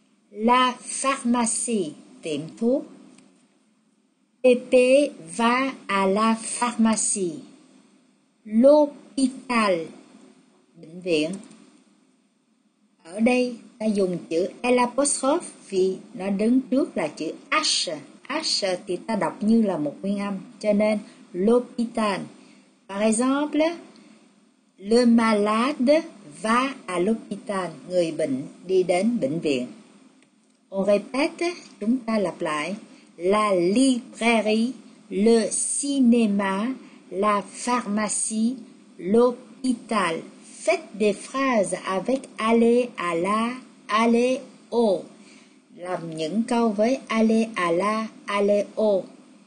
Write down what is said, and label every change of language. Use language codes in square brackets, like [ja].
[fr] La pharmacie, [vi] tiệm thuốc. [fr] Pépé va à la pharmacie. [vi] L'hôpital, bệnh viện. Ở đây ta dùng chữ L apostrophe vì nó đứng trước là chữ H. H thì ta đọc như là một nguyên âm, cho nên l'hôpital. [fr] Par exemple, le malade va à l'hôpital. [vi] Người bệnh đi đến bệnh viện. [fr] On répète, [vi] chúng ta lặp lại. [fr] La librairie, le cinéma, la pharmacie, l'hôpital. Faites des phrases avec aller à la, aller au. [vi] Làm những câu với [fr] aller à la, aller au.